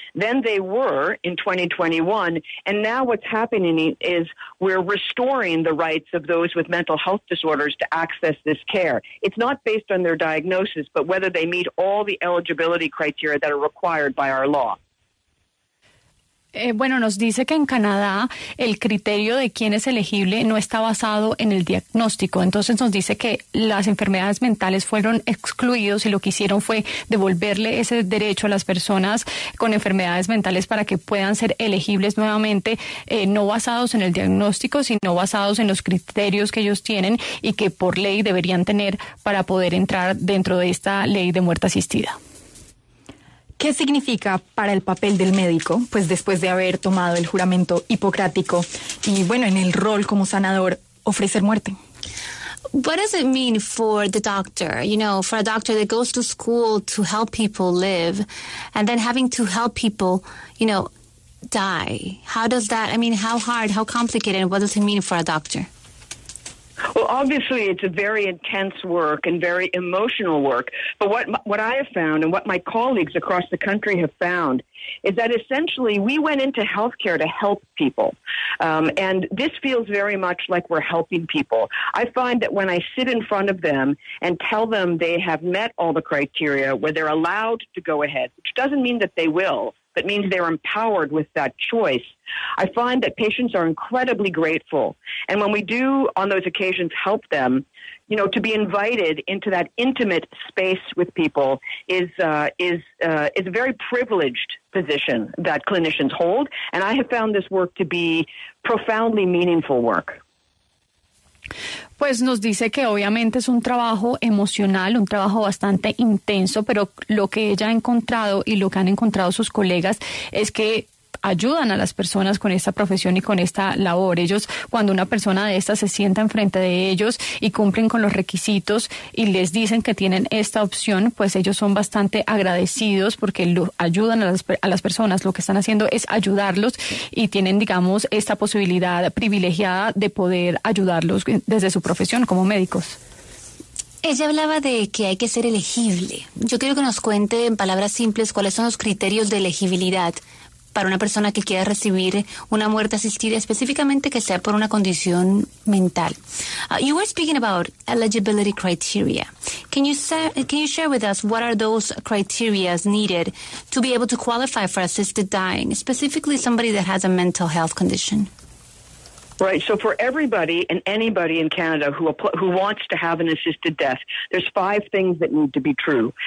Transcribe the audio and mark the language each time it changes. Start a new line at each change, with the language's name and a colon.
English: Then they were in 2021. And now what's happening is we're restoring the rights of those with mental health disorders to access this care. It's not based on their diagnosis, but whether they meet all the eligibility criteria that are required by our law.
Spanish: Bueno, nos dice que en Canadá el criterio de quién es elegible no está basado en el diagnóstico. Entonces nos dice que las enfermedades mentales fueron excluidos y lo que hicieron fue devolverle ese derecho a las personas con enfermedades mentales para que puedan ser elegibles nuevamente, no basados en el diagnóstico, sino basados en los criterios que ellos tienen y que por ley deberían tener para poder entrar dentro de esta ley de muerte asistida. ¿Qué significa para el papel del médico, pues después de haber tomado el juramento hipocrático y, bueno, en el rol como sanador, ofrecer muerte?
English: What does it mean for the doctor, you know, for a doctor that goes to school to help people live and then having to help people, you know, die? How does that, I mean, how hard, how complicated, what does it mean for a doctor? Well, obviously, it's a very intense work and very emotional work. But what I have found and what my colleagues across the country have found is that essentially we went into healthcare to help people. And this feels very much like we're helping people. I find that when I sit in front of them and tell them they have met all the criteria where they're allowed to go ahead, which doesn't mean that they will, but means they're empowered with that choice, I find that patients are incredibly grateful. And when we do, on those occasions, help them, you know, to be invited into that intimate space with people is a very privileged position that clinicians hold. And I have found this work to be profoundly meaningful work.
Spanish: Pues nos dice que obviamente es un trabajo emocional, un trabajo bastante intenso, pero lo que ella ha encontrado y lo que han encontrado sus colegas es que ayudan a las personas con esta profesión y con esta labor. Ellos, cuando una persona de estas se sienta enfrente de ellos y cumplen con los requisitos y les dicen que tienen esta opción, pues ellos son bastante agradecidos porque lo ayudan a las personas. Lo que están haciendo es ayudarlos y tienen, digamos, esta posibilidad privilegiada de poder ayudarlos desde su profesión como médicos. Ella hablaba de que hay que ser elegible. Yo quiero que nos cuente en palabras simples cuáles son los criterios de elegibilidad para una persona que quiera recibir una muerte asistida, específicamente que sea por una condición mental.
English: You were speaking about eligibility criteria. Can you share with us what are those criteria needed to be able to qualify for assisted dying, specifically somebody that has a mental health condition? Right. So for everybody and anybody in Canada who wants to have an assisted death, there's five things that need to be true.